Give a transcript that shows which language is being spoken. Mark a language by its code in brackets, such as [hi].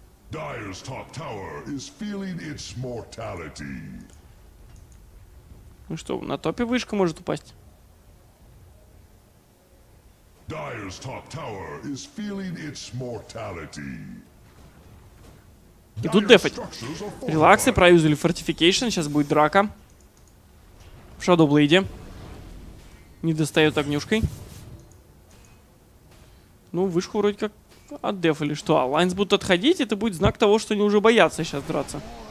[en] Dire's top tower is feeling its mortality. [ru] Ну что, на топе вышка может упасть. [en] Dire's top tower is feeling its mortality. [ru] И тут дефать. Релаксы, проюзали фортификейшн, сейчас будет драка. В Шадоблейде. Не достает огнюшкой. Ну, вышку вроде как отдефали. Что, а Лайнс будут отходить? Это будет знак того, что они уже боятся сейчас драться.